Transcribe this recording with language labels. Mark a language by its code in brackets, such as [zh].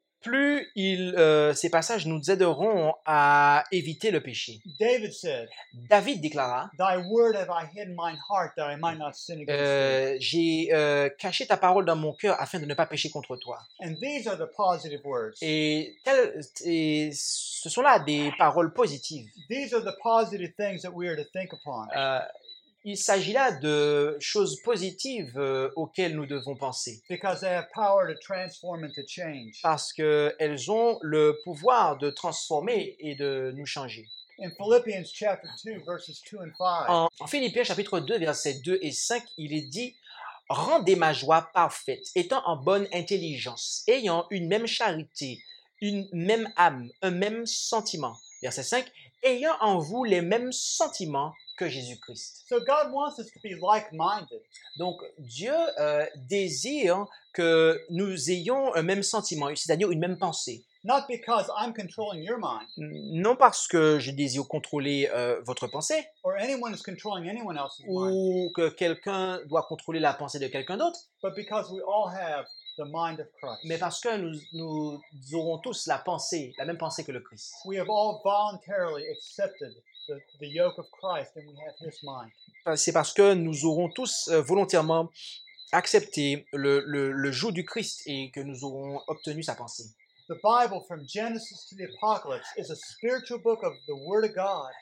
[fr] Plus ces passages nous aideront à éviter le péché. [en] David said, [fr] David déclara, [en] Thy word have I hid in mine heart that I might not sin against thee. [fr] J'ai caché ta parole dans mon cœur afin de ne pas pécher contre toi. [en] And these are the positive words. [fr] Et ce sont là des paroles positives. [en] These are the positive things that we are to think upon. [fr] Il s'agit là de choses positives auxquelles nous devons penser. [en] Because they have power to transform and to change. [fr] Parce qu'elles ont le pouvoir de transformer et de nous changer. [en] In Philippians chapter 2, verses 2 and 5, [fr] en Philippiens chapitre 2, versets 2 et 5, il est dit « Rendez ma joie parfaite, étant en bonne intelligence, ayant une même charité, une même âme, un même sentiment. » Verset 5 « Ayant en vous les mêmes sentiments, que Jésus-Christ. [en] So God wants us to be like-minded. [fr] Donc Dieu désire que nous ayons un même sentiment, c'est-à-dire une même pensée. [en] Not because I'm controlling your mind. [fr] Non parce que je désire contrôler votre pensée. [en] Or anyone is controlling anyone else's [fr] ou [en] mind. [fr] Que quelqu'un doit contrôler la pensée de quelqu'un d'autre. [en] But because we all have the mind of Christ. [fr] Mais parce que nous aurons tous la pensée, la même pensée que le Christ. [en] We have all voluntarily accepted the yoke of Christ and we have his mind. [fr] C'est parce que nous aurons tous volontairement accepté le joug du Christ et que nous aurons obtenu sa pensée. [en] The Bible from Genesis to the Apocalypse is a spiritual book of the Word of God.